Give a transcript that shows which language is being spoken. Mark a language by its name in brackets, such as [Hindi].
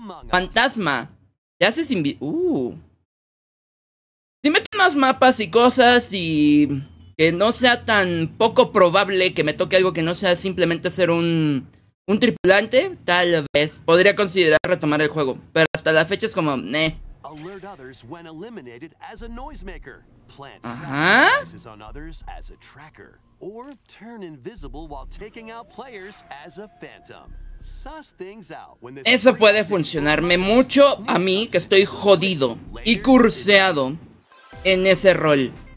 [Spanish] Fantasma. Te haces Si meten más mapas y cosas y... Que no sea tan poco probable que me toque algo que no sea simplemente ser un... Un tripulante, tal vez. Podría considerar retomar el juego. Pero hasta la fecha es como... [English] Alert others when eliminated as a noisemaker. Plant traps on others as a tracker. Or turn invisible while taking out players as a phantom. Suss things out when this. [Spanish] Eso puede funcionarme mucho a mí que estoy jodido y curseado en ese rol.